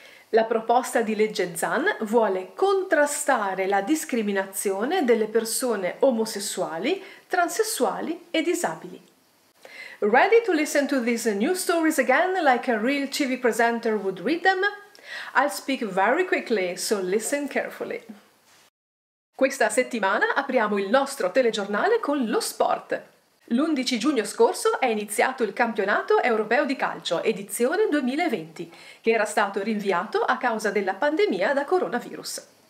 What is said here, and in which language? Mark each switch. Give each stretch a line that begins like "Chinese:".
Italian: La proposta di legge Zan vuole contrastare la discriminazione delle persone omosessuali, transessuali e disabili.
English: Ready to listen to these new stories again like a real TV presenter would read them? I'll speak very quickly, so listen carefully.
Italian: Questa settimana apriamo il nostro telegiornale con lo sport. L'11 giugno scorso è iniziato il campionato europeo di calcio, edizione 2020, che era stato rinviato a causa della pandemia da coronavirus.